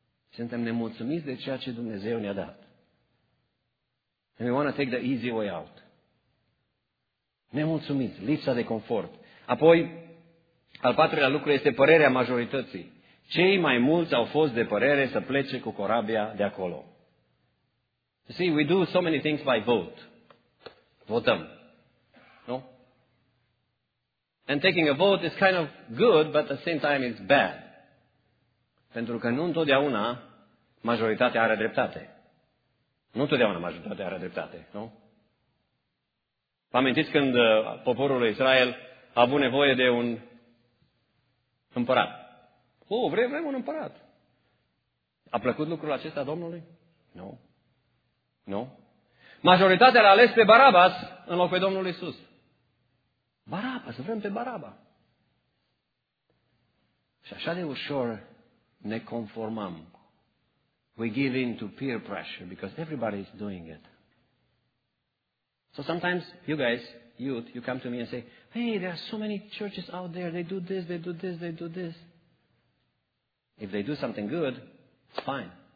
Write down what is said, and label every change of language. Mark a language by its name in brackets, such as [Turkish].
[Romanian] Suntem nemulțumiți de ceea ce Dumnezeu ne-a dat. [English] And we want to take the easy way out. [Romanian] Nemulțumiți, lipsa de confort. Apoi, al patrulea lucru este părerea majorității. Cei mai mulți au fost de părere să plece cu corabia de acolo. [English] You see, we do so many things by vote. [Romanian] Votăm. Nu? [English] And taking a vote is kind of good, but at the same time it's bad. [Romanian] Pentru că nu întotdeauna majoritatea are dreptate. Nu întotdeauna majoritatea are dreptate, nu? Vă amintiți când poporul lui Israel a avut nevoie de un împărat? Vrem un împărat. A plăcut lucrul acesta Domnului? Nu. Majoritatea l-a ales pe Barabas în loc pe Domnul Iisus. Barabas, vrem pe Baraba. Și așa de ușor ne conformăm. [English] We give in to peer pressure because everybody is doing it. So sometimes you guys, youth, you come to me and say, hey, there are so many churches out there. They do this, they do this, they do this. If they do something good, it's fine.